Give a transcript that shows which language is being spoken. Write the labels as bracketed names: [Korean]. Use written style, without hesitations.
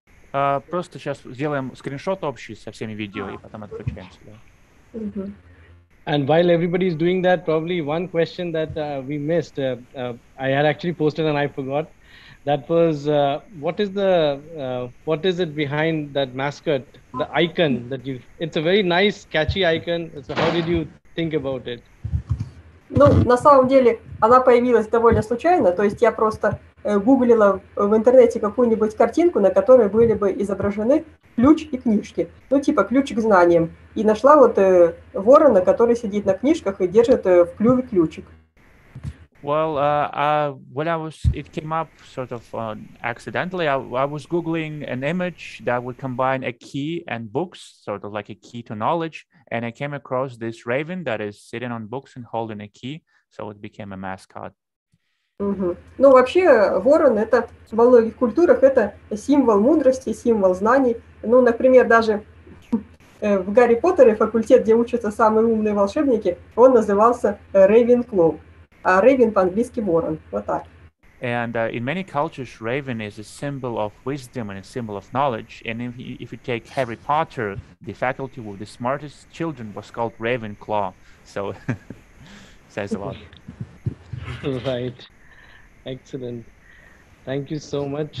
[Russian] Просто сейчас сделаем скриншот общий со всеми видео и потом отключаемся. Да? [English] And while everybody is doing that, probably one question that we missed, I had actually posted and I forgot, that was, what is it behind that mascot, the icon that you, it's a very nice, catchy icon, so how did you think about it? [Russian] Ну, на самом деле, она появилась довольно случайно, то есть я просто гуглила в интернете какую-нибудь картинку, на которой были бы изображены ключ и книжки, ну, типа ключ к знаниям, и нашла вот ворона, который сидит на книжках и держит в клюве ключик. [English] Well, when I was, it came up sort of accidentally, I was Googling an image that would combine a key and books, sort of like a key to knowledge, and I came across this raven that is sitting on books and holding a key, so it became a mascot. [Russian] Ну, вообще, ворон, это во многих культурах, это символ мудрости, символ знаний. Ну, например, даже в Гарри Поттере, факультет, где учатся самые умные волшебники, он назывался Ravenclaw. А Raven по-английски ворон. Вот так. [English] And in many cultures, Raven is a symbol of wisdom and a symbol of knowledge. And if you take Harry Potter, the faculty with the smartest children was called Ravenclaw. So, says a lot. Right. Excellent. Thank you so much.